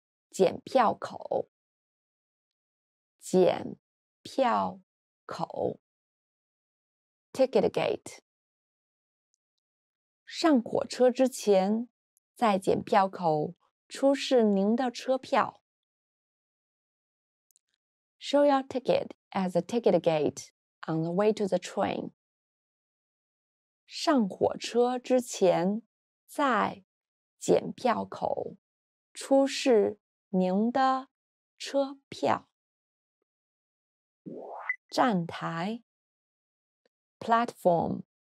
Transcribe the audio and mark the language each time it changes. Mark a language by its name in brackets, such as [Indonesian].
[Chinese] 检票口检票口 [English] Ticket gate [Chinese] 上火车之前在检票口出示您的车票 [English] Show your ticket at the ticket gate on the way to the train [Chinese] 上火车之前在检票口出示您的车票。站台 [English] Platform